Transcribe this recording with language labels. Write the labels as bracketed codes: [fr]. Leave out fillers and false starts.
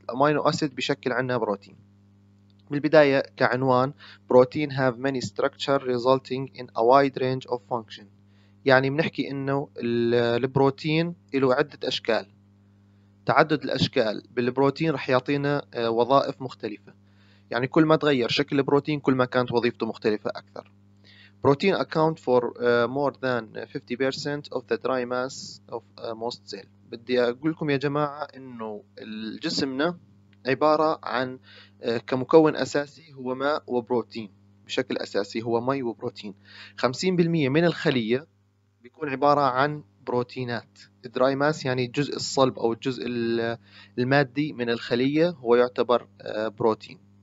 [ar] الامينو اسيد بيشكل عنا بروتين. بالبداية كعنوان، بروتين [en] have many structure resulting in a wide range of function، [ar] يعني بنحكي انه البروتين له عدة اشكال. تعدد الاشكال بالبروتين رح يعطينا وظائف مختلفة، يعني كل ما تغير شكل البروتين كل ما كانت وظيفته مختلفة أكثر. [en] Protein account for more than 50% of the dry mass of most cell. [ar] بدي أقول لكم يا جماعة إنه جسمنا عبارة عن كمكون أساسي هو ماء وبروتين. بشكل أساسي هو ماء وبروتين. 50% من الخلية بيكون عبارة عن بروتينات. الدراي ماس يعني الجزء الصلب أو الجزء المادي من الخلية هو يعتبر بروتين.